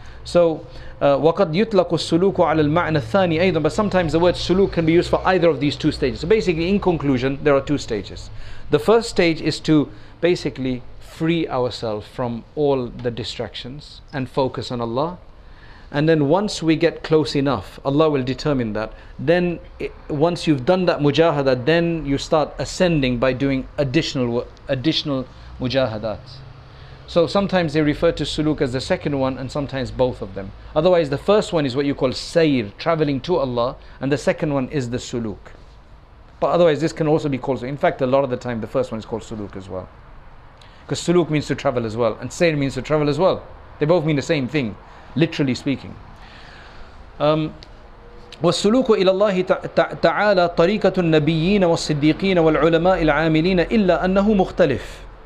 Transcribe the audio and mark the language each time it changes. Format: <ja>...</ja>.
<ar>So, وَقَدْ يُطْلَقُ السُّلُوكُ عَلَى الْمَعْنَ الثَّانِي أيضًا.</ar> <en>But sometimes the word suluk can be used for either of these two stages. So basically, in conclusion, there are two stages. The first stage is to basically free ourselves from all the distractions and focus on Allah. And then once we get close enough, Allah will determine that. Then once you've done that mujahada, then you start ascending by doing additional mujahadat. So sometimes they refer to suluk as the second one and sometimes both of them. Otherwise the first one is what you call sayr, traveling to Allah, and the second one is the suluk. But otherwise this can also be called, in fact a lot of the time the first one is called suluk as well. Because suluk means to travel as well, and sayr means to travel as well. They both mean the same thing, literally speaking.</en> <ar>والسلوك إلى الله تعالى طريقة النبيين والصديقين والعلماء العاملين إلا أنه مختلف.</ar>